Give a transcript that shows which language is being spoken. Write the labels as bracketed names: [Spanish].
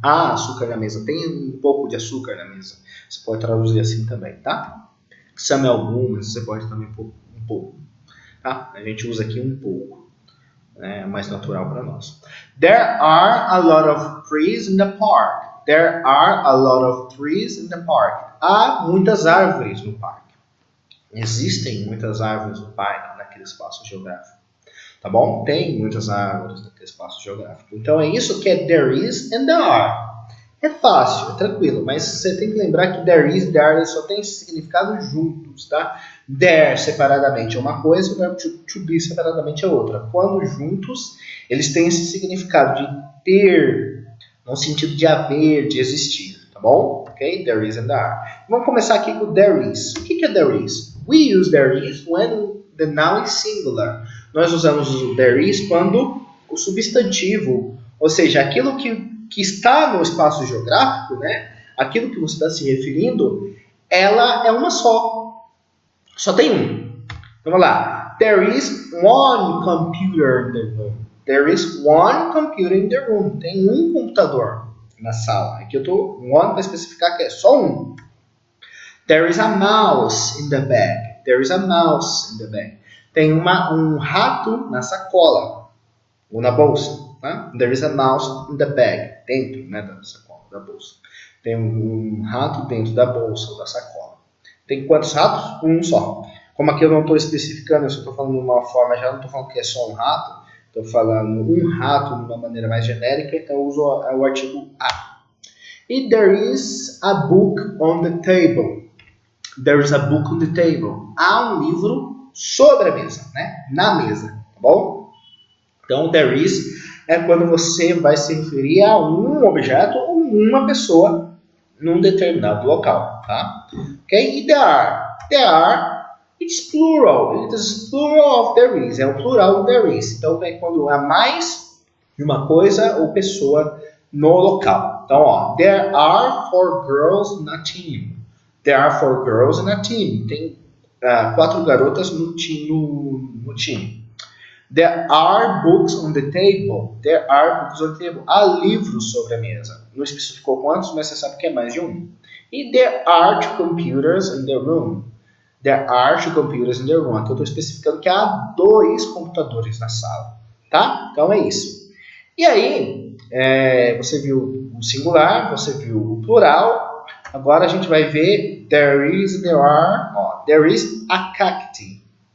[Portuguese] Há açúcar na mesa. Tem um pouco de açúcar na mesa. Você pode traduzir assim também, tá? Some algumas, você pode também um pouco. Tá? A gente usa aqui um pouco. É mais natural para nós. [English] There are a lot of trees in the park. There are a lot of trees in the park. [Portuguese] Há muitas árvores no parque. Existem muitas árvores no parque, naquele espaço geográfico. Tá bom? Tem muitas árvores naquele espaço geográfico. Então é isso que é [English] there is and there are. [Portuguese] É fácil, é tranquilo, mas você tem que lembrar que there is e there só tem significado juntos, tá? There separadamente é uma coisa, o verbo to be separadamente é outra. Quando juntos, eles têm esse significado de ter, no sentido de haver, de existir, tá bom? Ok? [English] There is and there are. [Portuguese] Vamos começar aqui com there is. O que é there is? [English] We use there is when the noun is singular. [Portuguese] Nós usamos o there is quando o substantivo, ou seja, aquilo que está no espaço geográfico, né? Aquilo que você está se referindo, ela é uma só. Só tem um. Então, vamos lá. [English] There is one computer in the room. There is one computer in the room. [Portuguese] Tem um computador na sala. Aqui eu estou one para especificar que é só um. [English] There is a mouse in the bag. There is a mouse in the bag. [Portuguese] Tem um rato na sacola ou na bolsa. Tá? [English] There is a mouse in the bag. [Portuguese] Dentro, né, da sacola, da bolsa. Tem um rato dentro da bolsa ou da sacola. Tem quantos ratos? Um só. Como aqui eu não estou especificando, eu só estou falando de uma forma, já não estou falando que é só um rato. Estou falando um rato de uma maneira mais genérica, então eu uso o artigo A. [English] E there is a book on the table. There is a book on the table. [Portuguese] Há um livro sobre a mesa, né? Na mesa, tá bom? Então, there is é quando você vai se referir a um objeto ou uma pessoa num determinado local, tá? [English] Ok? E there are. There are, it's plural. It is plural of there is. [Portuguese] É o plural do there is. Então, é quando há mais de uma coisa ou pessoa no local. [English] Então, ó. There are four girls in a team. There are four girls in a team. [Portuguese] Tem quatro garotas no time. No time. [English] There are books on the table. There are books on the table. [Portuguese] Há livros sobre a mesa. Não especificou quantos, mas você sabe que é mais de um. [English] E there are two computers in the room. There are two computers in the room. [Portuguese] Aqui eu estou especificando que há dois computadores na sala. Tá? Então é isso. E aí, você viu o singular, você viu o plural. Agora a gente vai ver there is, there are. [English] Ó, there is a cacti.